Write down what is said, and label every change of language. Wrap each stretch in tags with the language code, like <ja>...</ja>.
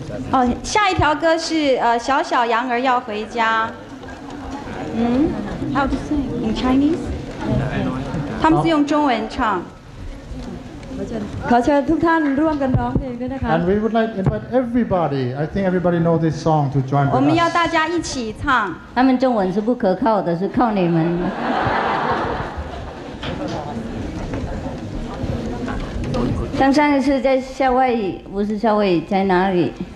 <zh>โอ้下一条歌是小小羊儿要回家嗯</zh> <en>How to sing in Chinese</en> <zh>他们是用中文唱</zh> <th>ขอเชิญทุกท่านร่วมกันร้องเพลงด้วยนะคะ</th> <en>And we would like to invite everybody I think everybody know this song to join with us</en> <zh>我们要大家一起唱他们中文是不可靠的是靠你们像上一次在夏威夷，不是夏威夷，在哪里？</zh>